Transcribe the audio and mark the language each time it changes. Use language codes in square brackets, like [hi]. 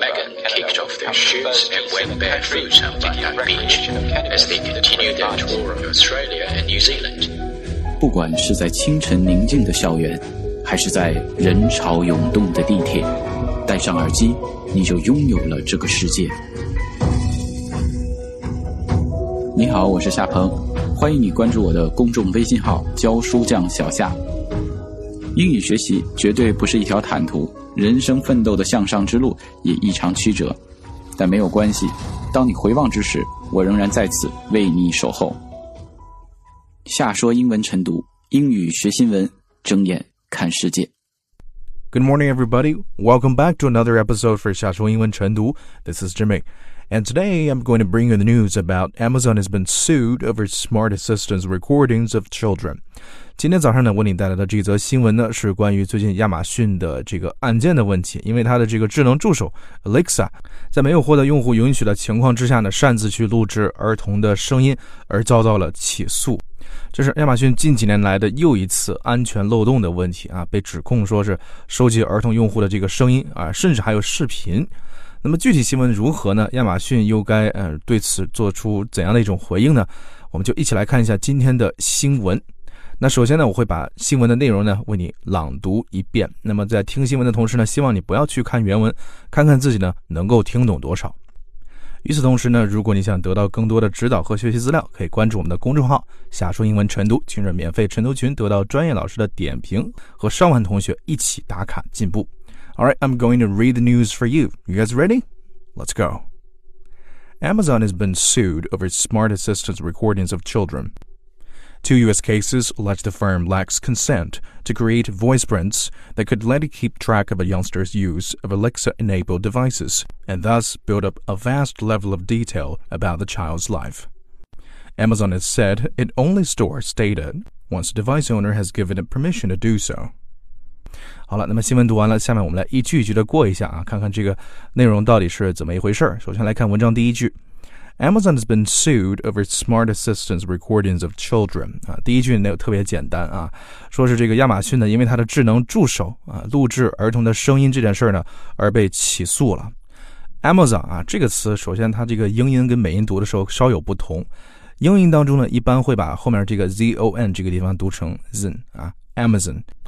[en] Megan kicked off their shoots and went barefoot on Bundang Beach as they continued their tour of Australia and New Zealand. [zh] 不管是在清晨宁静的校园，还是在人潮涌动的地铁，戴上耳机，你就拥有了这个世界。你好，我是夏鹏，欢迎你关注我的公众微信号教书匠小夏。英语学习绝对不是一条坦途，人生奋斗的向上之路也异常曲折，但没有关系，当你回望之时，我仍然在此为你守候。夏说英文晨读，英语学新闻，睁眼看世界。 [en] Good morning, everybody. Welcome back to another episode for 夏说英文晨读.This is Jimmy. And today, I'm going to bring you the news about Amazon has been sued over smart assistant recordings of children. [zh] 今天早上呢，为你带来的这则新闻呢，是关于最近亚马逊的这个案件的问题。因为它的这个智能助手 Alexa 在没有获得用户允许的情况之下呢，擅自去录制儿童的声音，而遭到了起诉。这是亚马逊近几年来的又一次安全漏洞的问题啊，被指控说是收集儿童用户的这个声音啊，甚至还有视频。那么具体新闻如何呢？亚马逊又该对此做出怎样的一种回应呢？我们就一起来看一下今天的新闻。那首先呢，我会把新闻的内容呢为你朗读一遍。那么在听新闻的同时呢，希望你不要去看原文，看看自己呢能够听懂多少。与此同时呢，如果你想得到更多的指导和学习资料，可以关注我们的公众号夏说英文晨读，进入免费晨读群，得到专业老师的点评，和上万同学一起打卡进步。 [en] Alright, I'm going to read the news for you. You guys ready? Let's go. Amazon has been sued over smart assistant recordings of children. Two U.S. cases allege the firm lacks consent to create voice prints that could let it keep track of a youngster's use of Alexa-enabled devices and thus build up a vast level of detail about the child's life. Amazon has said it only stores data once the device owner has given it permission to do so. [zh] 好了，那么新闻读完了，下面我们来一句一句的过一下啊，看看这个内容到底是怎么一回事。首先来看文章第一句。 [en] Amazon has been sued over smart assistant recordings of children. [zh] 第一句呢特别简单啊，说是这个亚马逊呢因为它的智能助手啊录制儿童的声音这件事呢而被起诉了。 Amazon 啊这个词，首先它这个英音跟美音读的时候稍有不同。英音当中呢一般会把后面这个 Z-O-N 这个地方读成 Zen 啊 Amazon。